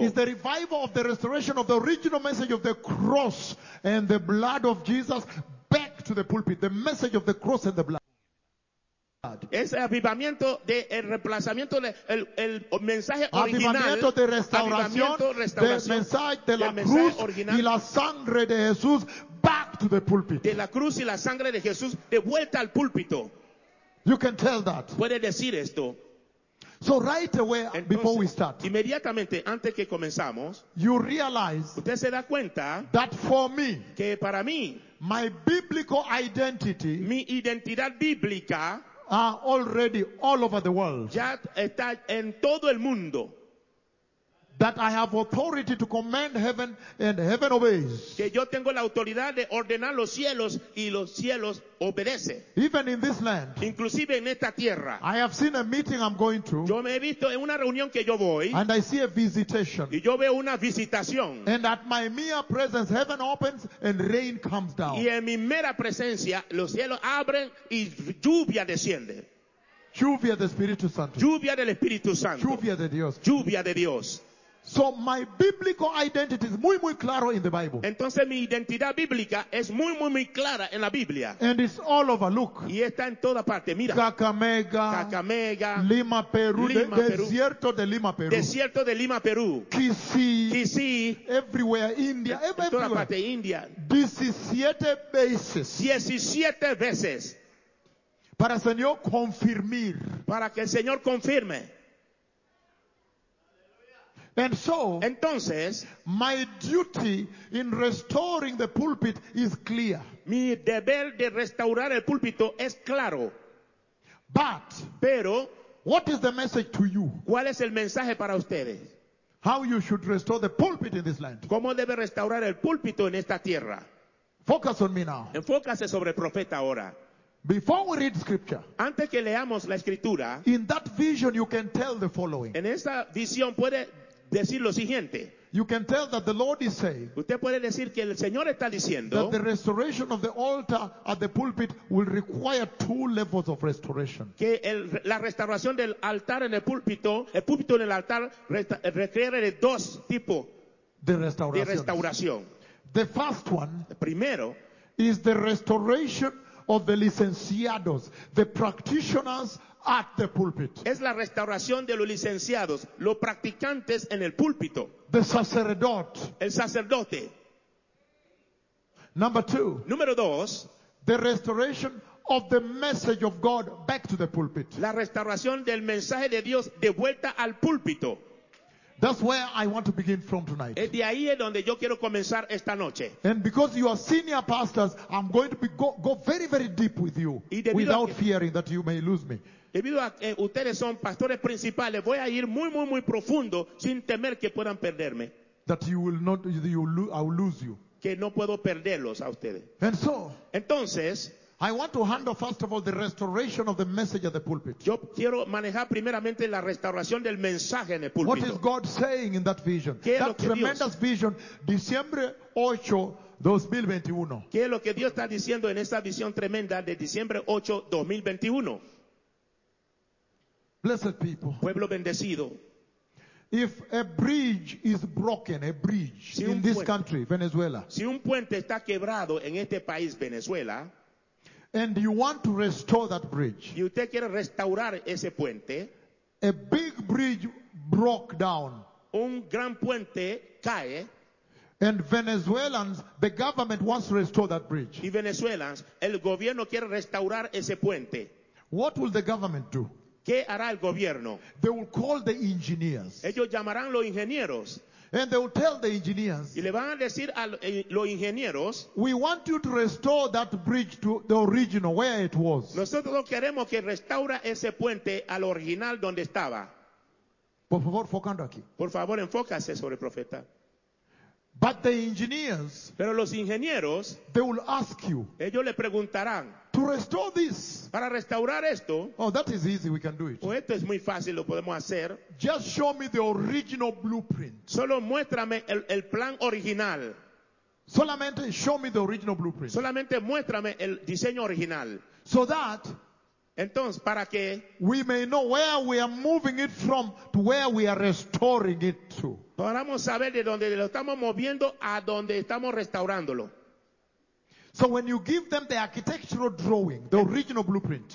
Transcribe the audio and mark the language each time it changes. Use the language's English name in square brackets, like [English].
[English] Is the revival of the restoration of the original message of the cross and the blood of Jesus back to the pulpit. The message of the cross and the blood. [Spanish] Es el avivamiento de el reemplazamiento del el mensaje original. Avivamiento de restauración, avivamiento, restauración del mensaje de la cruz original. Y la sangre de Jesús [English] back to the pulpit. [Spanish] De la cruz y la sangre de Jesús de vuelta al púlpito. [English] You can tell that. [Spanish] Puede decir esto. [English] So right away, [Spanish] entonces, [English] before we start, [Spanish] inmediatamente antes que comenzamos, [English] you realize, [Spanish] usted se da cuenta, [English] that for me, [Spanish] que para mí, [English] my biblical identity, [Spanish] mi identidad bíblica, [English] are already all over the world. [Spanish] Ya está en todo el mundo. [English] That I have authority to command heaven and heaven obeys. [Spanish] Que yo tengo la autoridad de ordenar los cielos y los cielos obedece. [English] Even in this land. [Spanish] Inclusive en esta tierra. [English] I have seen a meeting I'm going to. [Spanish] Yo me he visto en una reunión que yo voy. [English] And I see a visitation. [Spanish] Y yo veo una visitación. [English] And at my mere presence, heaven opens and rain comes down. [Spanish] Y en mi mera presencia, los cielos abren y lluvia desciende. Lluvia del Espíritu Santo. Lluvia del Espíritu Santo. Lluvia de Dios. Lluvia de Dios. [English] So my biblical identity is [Spanish] muy muy claro [English] in the Bible. [Spanish] Entonces mi identidad bíblica es muy muy muy clara en la Biblia. [English] And it's all over. Look. [Spanish] Y está en toda parte. Mira. Kakamega. Kakamega. Lima, Peru. Lima, Peru. Desierto de Lima, Peru. Desierto de Lima, Peru. Kisii. Kisii. [English] Everywhere, India. Everywhere. [Spanish] Toda parte, India. 17 veces. 17 veces. Para el Señor confirmar. Para que el Señor confirme. [English] And so, [Spanish] entonces, [English] my duty in restoring the pulpit is clear. [Spanish] Mi deber de restaurar el púlpito es claro. [English] But, [Spanish] pero, [English] what is the message to you? [Spanish] ¿Cuál es el mensaje para ustedes? [English] How you should restore the pulpit in this land. [Spanish] ¿Cómo debe restaurar el púlpito en esta tierra? [English] Focus on me now. [Spanish] Enfócase sobre el profeta ahora. [English] Before we read scripture, [Spanish] antes que leamos la escritura, [English] in that vision you can tell the following. [Spanish] En esa visión puede decir lo siguiente. [English] You can tell that the Lord is saying, [Spanish] usted puede decir que el Señor está diciendo, [English] that the restoration of the altar at the pulpit will require two levels of restoration. [Spanish] Que la restauración del altar en el púlpito en el altar requiere de dos tipos de restauración. [English] The first one, [Spanish] primero, [English] is the restoration of the licenciados, the practitioners at the pulpit. [Spanish] Es la restauración de los licenciados, los practicantes en el púlpito. [English] The sacerdote. [Spanish] El sacerdote. [English] Number two. [Spanish] Número dos. [English] The restoration of the message of God back to the pulpit. [Spanish] La restauración del mensaje de Dios de vuelta al púlpito. [English] That's where I want to begin from tonight. [Spanish] Es de ahí es donde yo quiero comenzar esta noche. [English] And because you are senior pastors, I'm going to go very, very deep with you without fearing that you may lose me. [Spanish] Debido a que ustedes son pastores principales, voy a ir muy, muy, muy profundo sin temer que puedan perderme. [English] that you will not, I will lose you. [Spanish] Que no puedo perderlos a ustedes. [English] And so, [Spanish] entonces, [English] I want to handle first of all the restoration of the message at the pulpit. [Spanish] Yo quiero manejar primeramente la restauración del mensaje en el púlpito. [English] What is God saying in that vision? [Spanish] ¿Qué [English] that tremendous Vision, December 8, 2021. [Spanish] ¿Qué es lo que Dios está diciendo en esa visión tremenda de diciembre 8, 2021? [English] Blessed people. [Spanish] Pueblo bendecido. [English] If a bridge is broken, a bridge [Spanish] si [English] in this country, Venezuela. [Spanish] Si un puente está quebrado en este país, Venezuela. [English] And you want to restore that bridge. [Spanish] Y usted quiere restaurar ese puente. [English] A big bridge broke down. [Spanish] Un gran puente cae. [English] And Venezuelans, the government wants to restore that bridge. [Spanish] Y Venezuelans, el gobierno quiere restaurar ese puente. [English] What will the government do? [Spanish] ¿Qué hará el gobierno? [English] They will call the engineers. [Spanish] Ellos llamarán los ingenieros. [English] And they will tell the engineers. [Spanish] Y le van a decir a los ingenieros. [English] We want you to restore that bridge to the original where it was. [Spanish] Nosotros queremos que restaure ese puente al original donde estaba. Por favor, enfocando aquí. Por favor, enfócase sobre el profeta. [English] But the engineers, [Spanish] pero los ingenieros, [English] they will ask you, [Spanish] ellos le preguntarán, [English] to restore this, [Spanish] para restaurar esto, [English] oh, that is easy, we can do it. [Spanish] O esto es muy fácil, lo podemos hacer. [English] Just show me the original blueprint. [Spanish] Solo muéstrame el plan original. Solamente [English] show me the original blueprint. [Spanish] Solamente muéstrame el diseño original. [English] So that, [Spanish] entonces, para que, [English] we may know where we are moving it from to where we are restoring it to. [Spanish] Podamos saber de dónde lo estamos moviendo a dónde estamos restaurándolo. [English] So when you give them the architectural drawing, the original blueprint.